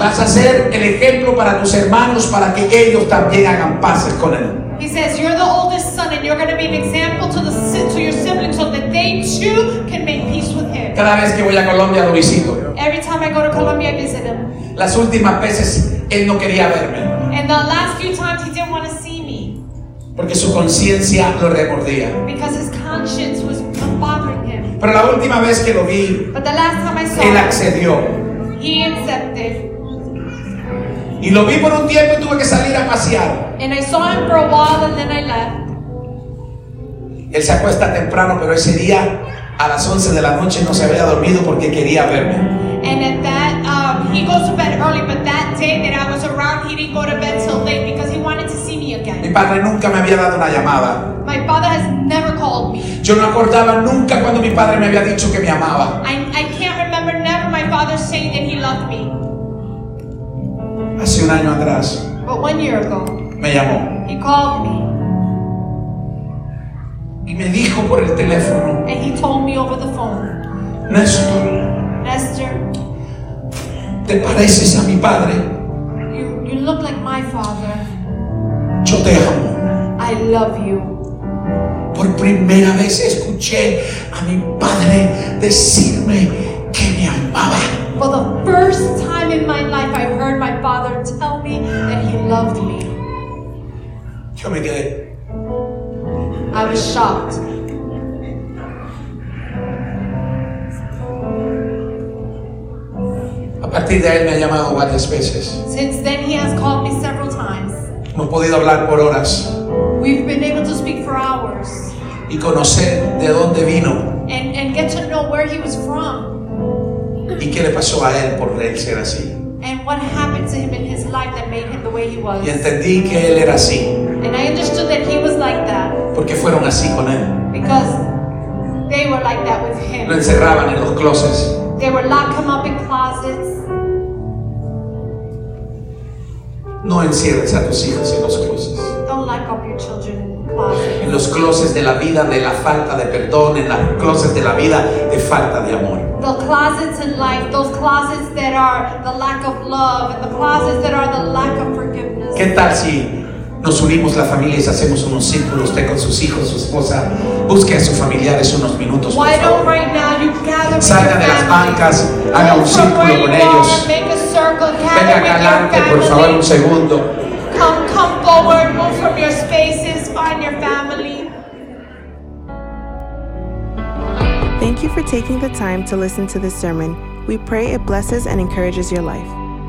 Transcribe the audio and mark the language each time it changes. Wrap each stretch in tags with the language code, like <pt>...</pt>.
<es>Vas a ser el ejemplo para tus hermanos para que ellos también hagan paces con él.</es> <en>He says, you're the oldest son, and you're going to be an example to your siblings so that they too can make peace with him.</en> <es>Cada vez que voy a Colombia, lo visito.</es> <en>Every time I go to Colombia, I visit him.</en> <es>Las últimas veces, él no quería verme.</es> <en>And the last few times, he didn't want to see me.</en> <es>Porque su conciencia lo remordía.</es> <en>Because his conscience was bothering him.</en> <es>Pero la última vez que lo vi,</es> <en>but the last time I saw</en> <es>él accedió.</es> <en>Him, he accepted.</en> <es>Y lo vi por un tiempo y tuve que salir a pasear.</es> <en>And I saw him for a while and then I left.</en> <es>Él se acuesta temprano, pero ese día a las 11 de la noche no se había dormido porque quería verme.</es> <en>And at that he goes to bed early, but that day that I was around, he didn't go to bed till late because he wanted to see me again.</en> <es>Mi padre nunca me había dado una llamada.</es> <en>My father has never called me.</en> <es>Yo no acordaba nunca cuando mi padre me había dicho que me amaba.</es> <en>I can't remember never my father saying that he loved me.</en> <es>Hace un año atrás.</es> <en>But 1 year ago.</en> <es>Me llamó.</es> <en>He called me.</en> <es>Y me dijo por el teléfono.</es> <en>And he told me over the phone.</en> <es>Néstor.</es> <en>Néstor.</en> <es>¿Te pareces a mi padre?</es> <en>You look like my father.</en> <es>Yo te amo.</es> <en>I love you.</en> <es>Por primera vez escuché a mi padre decirme que me amaba.</es> <en>For the first time in my life, I heard my father tell me that he loved me.</en> <es>Yo me quedé.</es> <en>I was shocked.</en> <es>A partir de ahí me ha llamado varias veces.</es> <en>Since then, he has called me several times.</en> <es>Hemos podido hablar por horas.</es> <en>We've been able to speak for hours.</en> <es>Y conocer de dónde vino.</es> <en>And get to know where he was from.</en> <es>¿Y qué le pasó a él por él ser así?</es> <en>And what happened to him in his life that made him the way he was?</en> <es>Y entendí que él era así.</es> <en>And I understood that he was like that.</en> <es>Porque fueron así con él.</es> <en>Because they were like that with him.</en> <es>Lo encerraban en los closets.</es> <en>They would lock him up in closets.</en> <es>No encierres a tus hijos en los closets.</es> <en>Don't lock up your children in closets.</en> <es>En los closets de la vida de la falta de perdón, en los closets de la vida de falta de amor.</es> <en>The closets in life, those closets that are the lack of love, and the closets that are the lack of forgiveness.</en> <es>¿Qué tal si nos unimos las familias, hacemos unos círculos, usted con sus hijos, su esposa, busque a sus familiares unos minutos?</es> <en>Why don't right now you gather?</en> <es>Salga de las bancas, haga un círculo con ellos.</es> <en>Make a circle, gather.</en> <es>Venga adelante, por favor, un segundo.</es> <en>Come forward, move from your spaces, find your family. Thank you for taking the time to listen to this sermon. We pray it blesses and encourages your life.</en>